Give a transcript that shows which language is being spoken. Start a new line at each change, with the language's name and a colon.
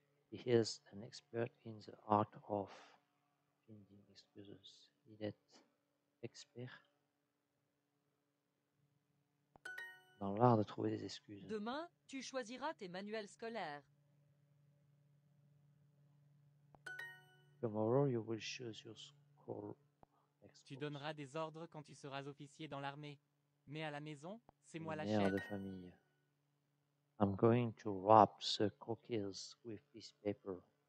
English: He is an expert in the art of finding excuses.
French: Il est expert dans l'art de trouver des excuses. Demain, tu choisiras tes manuels scolaires.
English: Tomorrow you will choose your school.
French: Tu donneras des ordres quand tu seras officier dans l'armée. Mais à la maison, c'est moi la chef. Mère de famille.
English: I'm going to wrap the cookies with this paper.